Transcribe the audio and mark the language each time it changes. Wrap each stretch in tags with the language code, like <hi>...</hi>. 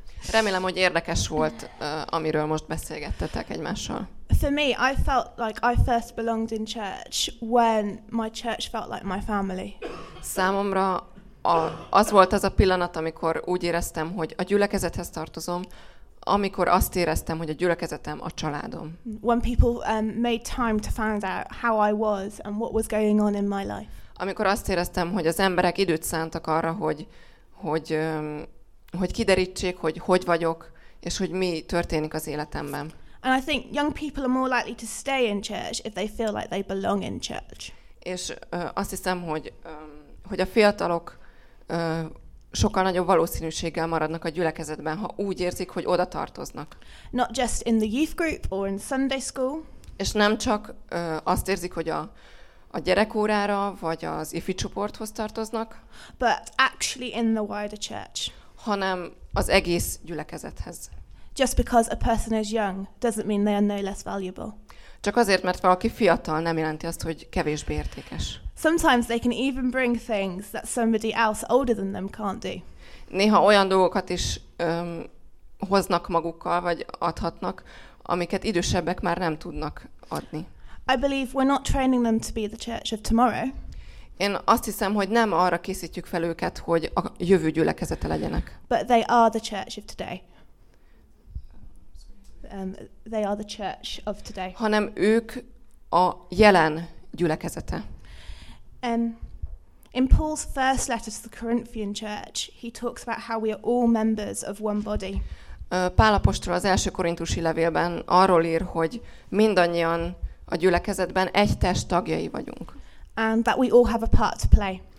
<hu>Remélem, hogy érdekes volt, amiről most beszélgettetek egymással.</hu> <en>For me, I felt like I first belonged in church when my church felt like my family.</en> <hu>Számomra az volt az a pillanat, amikor úgy éreztem, hogy a gyülekezethez tartozom, amikor azt éreztem, hogy a gyülekezetem a családom.</hu> <en>When people made time to find out how I was and what was going on in my life.</en> <hu>Amikor azt éreztem, hogy az emberek időt szántak arra, hogy kiderítsék, hogy hogy vagyok, és hogy mi történik az életemben.</hu> <en>And I think young people are more likely to stay in church if they feel like they belong in church.</en> <hu>És azt hiszem, hogy a fiatalok sokkal nagyobb valószínűséggel maradnak a gyülekezetben, ha úgy érzik, hogy oda tartoznak.</hu> <en>Not just in the youth group or in Sunday school.</en> <hu>És nem csak azt érzik, hogy a gyerekórára vagy az ifi csoporthoz tartoznak,</hu> <en>but actually in the wider church.</en> <hu>Hanem az egész gyülekezethez.</hu> <en>Just because a person is young doesn't mean they are no less valuable.</en> <hu>Csak azért, mert valaki fiatal, nem jelenti azt, hogy kevésbé értékes.</hu> <en>Sometimes they can even bring things that somebody else older than them can't do.</en> <hu>Néha olyan dolgokat is hoznak magukkal, vagy adhatnak, amiket idősebbek már nem tudnak adni.</hu> <en>I believe we're not training them to be the church of tomorrow.</en> <hu>Én azt hiszem, hogy nem arra készítjük fel őket, hogy a jövő gyülekezete legyenek.</hu> <en>But they are the church of today. They are the church of today.</en> <hu>Hanem ők a jelen gyülekezete.</hu> <en>In Paul's first letter to the Corinthian church, he talks about how we are all members of one body.</en> <hu>Pál apostol az első korintusi levélben arról ír, hogy mindannyian a gyülekezetben egy test tagjai vagyunk.</hu> <en>And that we all have a part to play.</en>